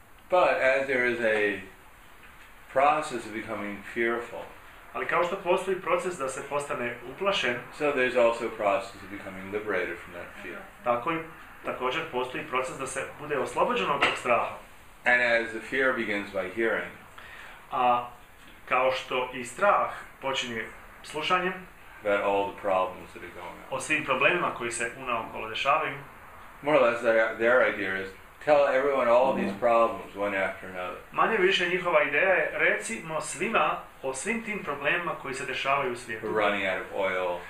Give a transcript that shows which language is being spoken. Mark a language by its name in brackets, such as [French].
[English] But as there is a process of becoming fearful. [Bosnian] Ali kao što postoji proces da se postane uplašen, [English] so there's also a process of becoming liberated from that fear. [Bosnian] Također postoji proces da se bude oslobođen od tog straha. [English] And as the fear begins by hearing. [Bosnian] A kao što i strah počinje slušanjem, [English] about all the problems that are going on. [Bosnian] O svim problemima koji se unaokolo dešavaju. [English] More or less their idea is tell everyone all these problems one after another. [Bosnian] Manje više njihova ideja je recimo svima o svim tim problemima koji se dešavaju u svijetu. [English] We're running out of oil.